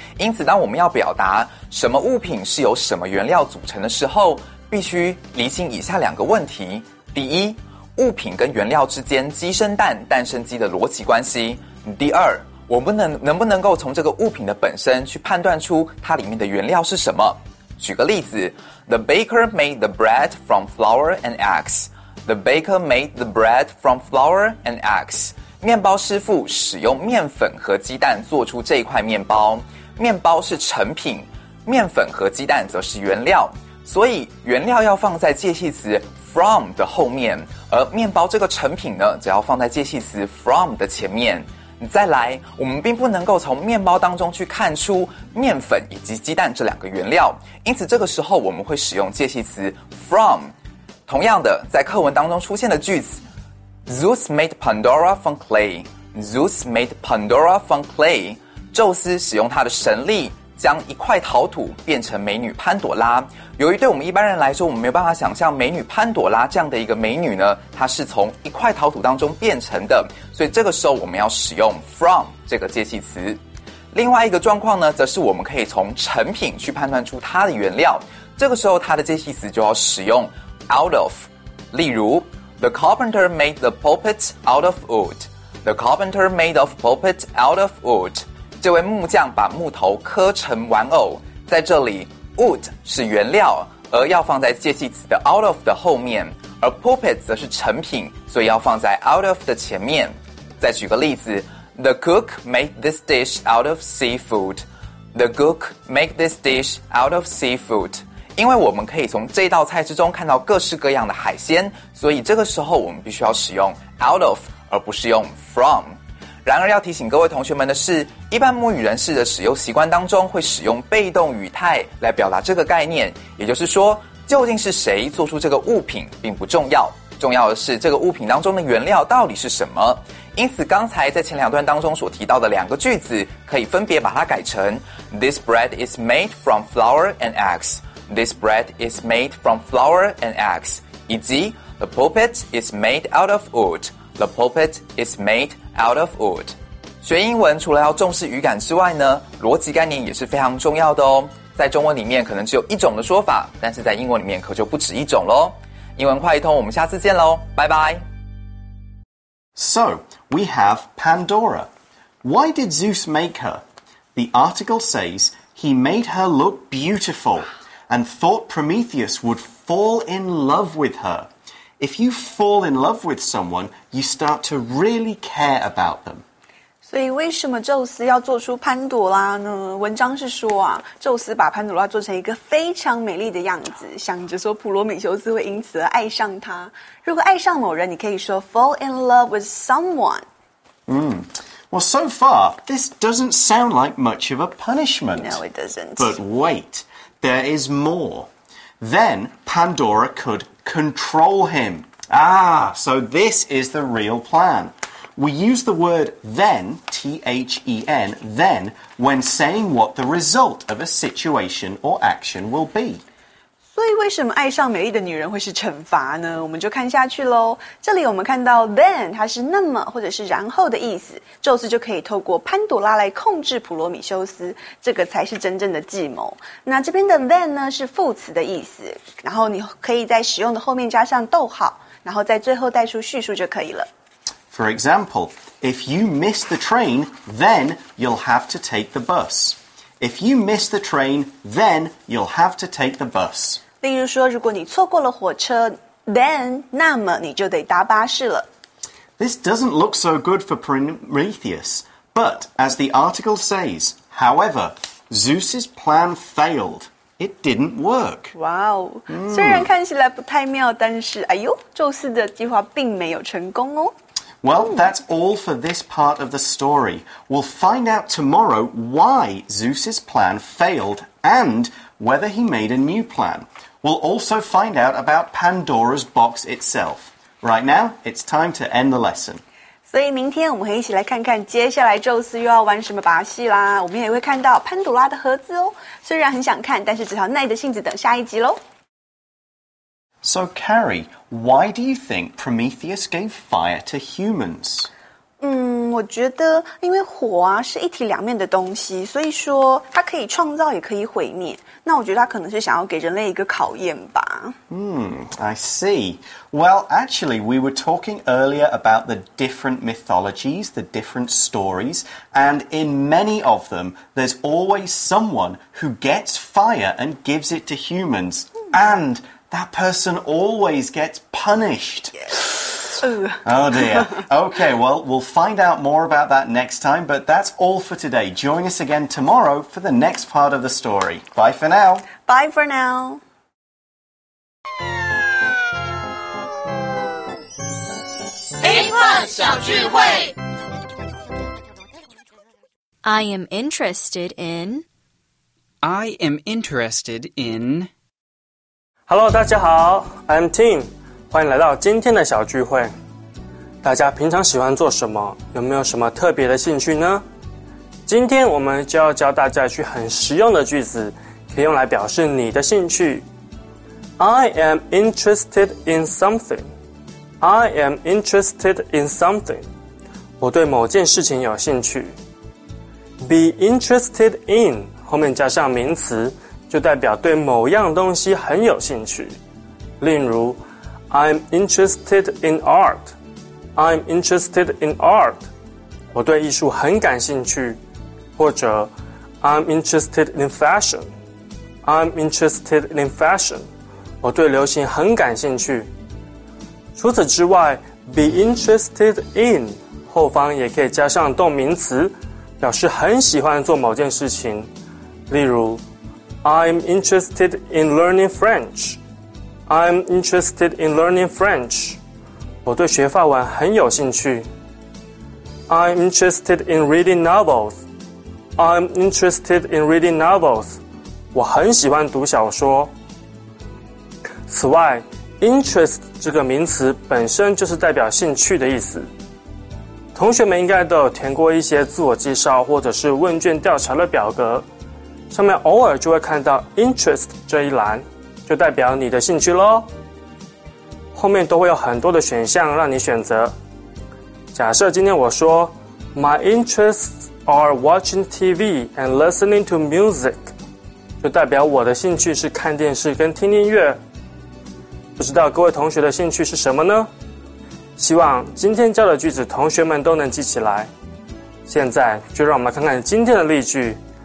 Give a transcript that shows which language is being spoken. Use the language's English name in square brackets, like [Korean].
[Chinese] 因此当我们要表达什么物品是由什么原料组成的时候，必须厘清以下两个问题。第一，物品跟原料之间鸡生蛋蛋生鸡的逻辑关系。第二，我们能不能够从这个物品的本身去判断出它里面的原料是什么。举个例子， [English] The baker made the bread from flour and eggs. The baker made the bread from flour and eggs. [Chinese] 面包师傅使用面粉和鸡蛋做出这一块面包。面包是成品，面粉和鸡蛋则是原料。所以原料要放在介系词 from 的后面，而面包这个成品呢，只要放在介系词 from 的前面。再来，我们并不能够从面包当中去看出面粉以及鸡蛋这两个原料，因此这个时候我们会使用介系词 from。同样的，在课文当中出现的句子 [English] Zeus made Pandora from clay. Zeus made Pandora from clay. [Chinese] 宙斯使用他的神力将一块陶土变成美女潘朵拉。由于对我们一般人来说，我们没有办法想象美女潘朵拉这样的一个美女呢，她是从一块陶土当中变成的，所以这个时候我们要使用 from 这个介系词。另外一个状况呢，则是我们可以从成品去判断出它的原料，这个时候它的介系词就要使用out of. 例如 [English] The carpenter made the pulpit out of wood. The carpenter made the pulpit out of wood. [Chinese] 这位木匠把木头刻成玩偶。在这里 wood 是原料，而要放在介系词的 out of 的后面，而 pulpit 则是成品，所以要放在 out of 的前面。再举个例子， [English] The cook made this dish out of seafood. The cook made this dish out of seafood. [Chinese] 因为我们可以从这道菜之中看到各式各样的海鲜，所以这个时候我们必须要使用 out of 而不是用 from。然而要提醒各位同学们的是，一般母语人士的使用习惯当中会使用被动语态来表达这个概念，也就是说究竟是谁做出这个物品并不重要，重要的是这个物品当中的原料到底是什么。因此刚才在前两段当中所提到的两个句子可以分别把它改成 [English] This bread is made from flour and eggsThis bread is made from flour and eggs. 以及 The pulpit is made out of wood. The pulpit is made out of wood. [Chinese] 学英文除了要重视语感之外呢，逻辑概念也是非常重要的哦。在中文里面可能只有一种的说法，但是在英文里面可就不止一种咯。英文快一通，我们下次见咯，拜拜。 [English] So, we have Pandora. Why did Zeus make her? The article says he made her look beautiful and thought Prometheus would fall in love with her. If you fall in love with someone, you start to really care about them. [Chinese] 所以为什么宙斯要做出潘朵拉呢？文章是说啊，宙斯把潘朵拉做成一个非常美丽的样子，想着说普罗米修斯会因此而爱上她。如果爱上某人，你可以说 [English] fall in love with someone。 Well, so far, this doesn't sound like much of a punishment. No, it doesn't. But wait, there is more. Then Pandora could control him. Ah, so this is the real plan. We use the word then, T-H-E-N, then, when saying what the result of a situation or action will be. [Chinese] 所以为什么爱上美丽的女人会是惩罚呢？我们就看下去咯。这里我们看到 then, 它是那么或者是然后的意思。宙斯就可以透过潘朵拉来控制普罗米修斯，这个才是真正的计谋。那这边的 then 呢是副词的意思，然后你可以在使用的后面加上逗号，然后在最后带出叙述就可以了。 [English] For example, if you miss the train, then you'll have to take the bus. If you miss the train, then you'll have to take the bus. [Chinese] 例如说，如果你错过了火车 then, 那么你就得搭巴士了。 [English] This doesn't look so good for Prometheus, but as the article says, however, Zeus's plan failed. It didn't work. Wow. [Chinese] 虽然看起来不太妙，但是哎呦，宙斯的计划并没有成功哦。 [English] Well, that's all for this part of the story. We'll find out tomorrow why Zeus's plan failed and whether he made a new plan. We'll also find out about Pandora's box itself. Right now, it's time to end the lesson. [Chinese] 所以明天我们会一起来看看接下来宙斯又要玩什么把戏啦。我们也会看到潘朵拉的盒子哦。虽然很想看，但是只好耐着性子等下一集咯。 [English] So, Carrie, why do you think Prometheus gave fire to humans? [Chinese] 我觉得因为火啊是一体两面的东西，所以说它可以创造也可以毁灭。那我觉得它可能是想要给人类一个考验吧。 [English] I see. Well, actually, we were talking earlier about the different mythologies, the different stories, and in many of them, there's always someone who gets fire and gives it to humans. And... That person always gets punished. Yes. Oh dear. Okay, well, we'll find out more about that next time, but that's all for today. Join us again tomorrow for the next part of the story. Bye for now. Bye for now. I am interested in... I am interested in... [Chinese] Hello, 大家好 [English] I'm Tim, [Chinese] 欢迎来到今天的小聚会。大家平常喜欢做什么？有没有什么特别的兴趣呢？今天我们就要教大家一句很实用的句子，可以用来表示你的兴趣。 [English] I am interested in something. I am interested in something. [Chinese] 我对某件事情有兴趣。 Be interested in, 后面加上名词就代表对某样东西很有兴趣。例如 [English] I'm interested in art. I'm interested in art. [Chinese] 我对艺术很感兴趣。 [English] 或者 I'm interested in fashion. I'm interested in fashion. [Chinese] 我对流行很感兴趣。除此之外 be interested in 后方也可以加上动名词表示很喜欢做某件事情。例如 [English] I'm interested in learning French. I'm interested in learning French. [Chinese] 我对学法文很有兴趣。 [English] I'm interested in reading novels. I'm interested in reading novels. [Chinese] 我很喜欢读小说。此外 ,interest 这个名词本身就是代表兴趣的意思。同学们应该都有填过一些自我介绍或者是问卷调查的表格。上面偶尔就会看到 interest 这一栏，就代表你的兴趣咯。后面都会有很多的选项让你选择。假设今天我说 [English] My interests are watching TV and listening to music. [Chinese] 就代表我的兴趣是看电视跟听音乐。不知道各位同学的兴趣是什么呢？希望今天教的句子同学们都能记起来。现在就让我们看看今天的例句。